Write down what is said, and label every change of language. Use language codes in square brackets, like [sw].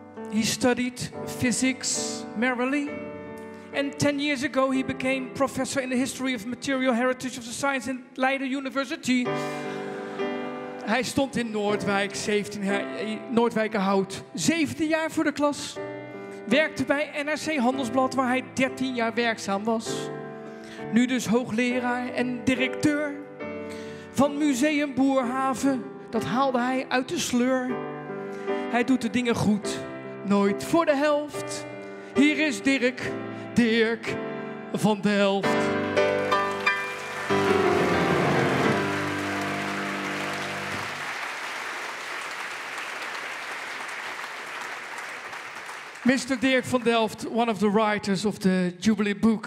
[en] He studied physics merrily. And 10 years ago, he became professor in the history of material heritage of the science in Leiden University. [nl] Hij stond in Noordwijk, 17 jaar, Noordwijkerhout, 17 jaar voor de klas. Werkte bij NRC Handelsblad, waar hij 13 jaar werkzaam was. Nu dus hoogleraar en directeur van Museum Boerhaven. Dat haalde hij uit de sleur. Hij doet de dingen goed, nooit voor de helft. Hier is Dirk, Dirk van Delft. Mr. [en] Dirk van Delft, one of the writers of the Jubilee book.